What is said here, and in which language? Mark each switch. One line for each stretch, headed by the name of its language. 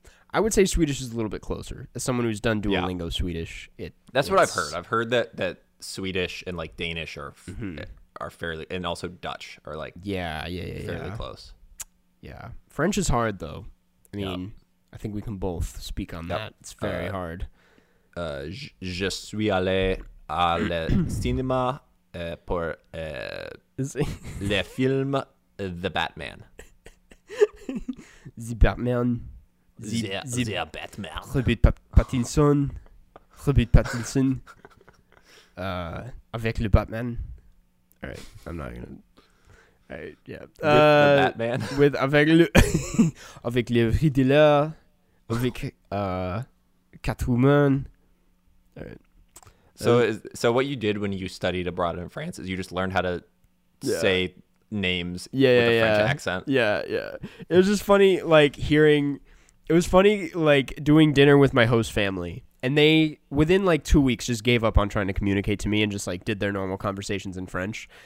English: I would say Swedish is a little bit closer. As someone who's done Duolingo Swedish, That's what I've heard. I've heard that Swedish and like Danish are are fairly, and also Dutch are like fairly close. Yeah. French is hard though. I mean, I think we can both speak on that. It's very hard.
French: Je suis allé à le cinéma pour le film The Batman.
English: The Batman. The Batman. Robert Pattinson. Robert Pattinson.
French: avec le Batman.
English: All right, I'm not gonna. All right, With the Batman.
French: With avec le Riddler, avec Catwoman.
English: All right. So what you did when you studied abroad in France is you just learned how to say names with a French accent. Yeah. It was just funny, like hearing. It was funny, like doing dinner with my host family. And they, within like 2 weeks, just gave up on trying to communicate to me and just like did their normal conversations in French.